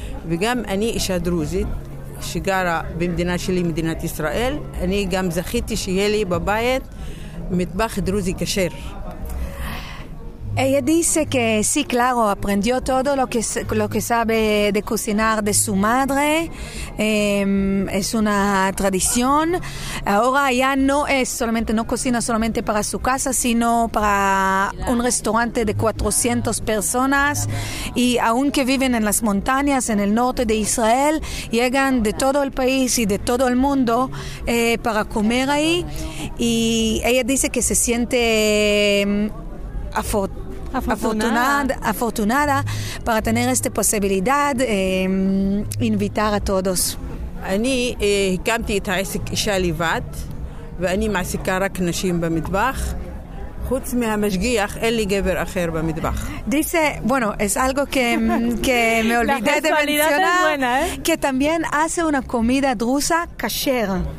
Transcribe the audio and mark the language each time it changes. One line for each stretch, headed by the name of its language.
Hebrew: וגם אני אישה דרוזית שגרה במדינה שלי, מדינת ישראל, אני גם זכיתי שיהיה לי בבית מטבח דרוזי כשר.
Spanish: Ella dice que sí, claro, aprendió todo lo que sabe de cocinar de su madre. Es una tradición. Ahora ya no cocina solamente para su casa, sino para un restaurante de 400 personas. Y aunque viven en las montañas, en el norte de Israel, llegan de todo el país y de todo el mundo para comer ahí. Y ella dice que se siente afortunada para tener esta posibilidad invitar a todos.
Hebrew: אני הקמתי את העסק אישה לבד, ואני מעסיקה רק נשים במטבח. חוץ מהמשגיח אין לי גבר אחר במטבח.
Spanish: Dice, bueno, es algo que me olvidé de mencionar, que también hace una comida drusa kasher.